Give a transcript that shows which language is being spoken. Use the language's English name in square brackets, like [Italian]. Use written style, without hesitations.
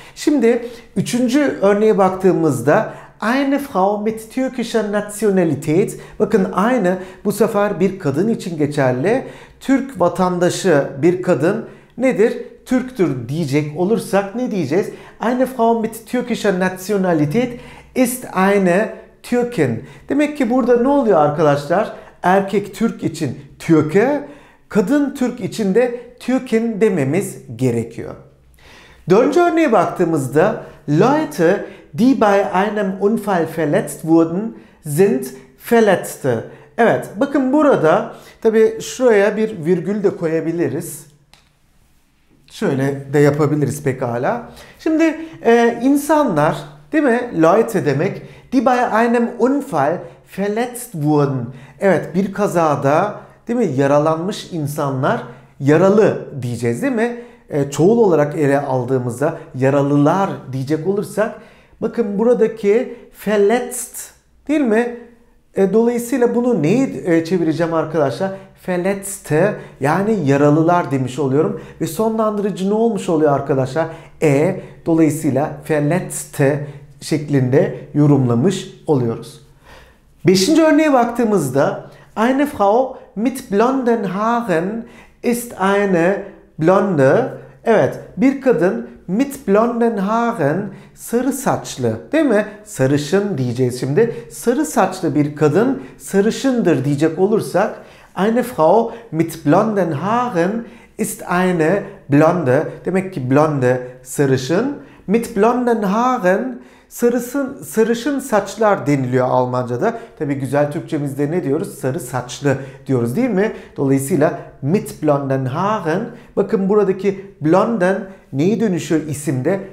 [Turkish] Şimdi üçüncü örneğe baktığımızda [German] eine Frau mit türkischer Nationalität. [Turkish] Bakın aynı bu sefer bir kadın için geçerli. Türk vatandaşı bir kadın nedir? Türktür diyecek olursak ne diyeceğiz? [German] Eine Frau mit türkischer Nationalität ist eine Türkin. [Turkish] Demek ki burada ne oluyor arkadaşlar? Erkek Türk için Türke, kadın Türk için de Türkin dememiz gerekiyor. Dördüncü örneğe baktığımızda [German] Leute, die bei einem Unfall verletzt wurden, sind verletzte. [Turkish] Evet, bakın burada tabii şuraya bir virgül de koyabiliriz. Şöyle de yapabiliriz pekala. Şimdi insanlar, değil mi? [German] Leute demek, die bei einem Unfall verletzt wurden. [Turkish] Evet, bir kazada, değil mi? Yaralanmış insanlar, yaralı diyeceğiz, değil mi? Çoğul olarak ele aldığımızda yaralılar diyecek olursak, bakın buradaki verletzt değil mi? Dolayısıyla bunu neyi çevireceğim arkadaşlar? Verletzte, yani yaralılar demiş oluyorum. Ve sonlandırıcı ne olmuş oluyor arkadaşlar? Dolayısıyla verletzte şeklinde yorumlamış oluyoruz. Beşinci örneğe baktığımızda [German] eine Frau mit blonden Haaren ist eine blonde. [Turkish] Evet, bir kadın [German] mit blonden Haaren, [Turkish] sarı saçlı değil mi? Sarışın diyeceğiz şimdi. Sarı saçlı bir kadın sarışındır diyecek olursak [German] eine Frau mit blonden Haaren ist eine blonde. [Turkish] Demek ki blonde sarışın. [German] Mit blonden Haaren, [Turkish] sarışın saçlar deniliyor Almanca'da. Tabii güzel Türkçemizde ne diyoruz? Sarı saçlı diyoruz değil mi? Dolayısıyla [German] mit blonden Haaren, [Turkish] bakın buradaki blonden neyi dönüşüyor isimde?